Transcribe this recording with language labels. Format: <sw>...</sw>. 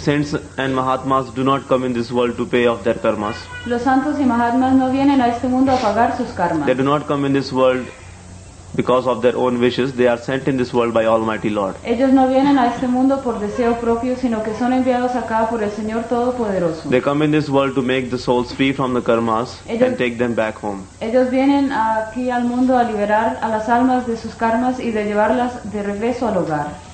<en>Saints and mahatmas do not come in this world to pay off their karmas.</en> <es>Los santos y mahatmas no vienen a este mundo a pagar sus karmas.</es> <en>They do not come in this world because of their own wishes. They are sent in this world by Almighty Lord.</en> <es>Ellos no vienen a este mundo por deseo propio, sino que son enviados acá por el Señor Todopoderoso.</es> <en>They come in this world to make the souls free from the karmas and take them back home.</en> <es>Ellos vienen aquí al mundo a liberar a las almas de sus karmas y de llevarlas de regreso al hogar.</es>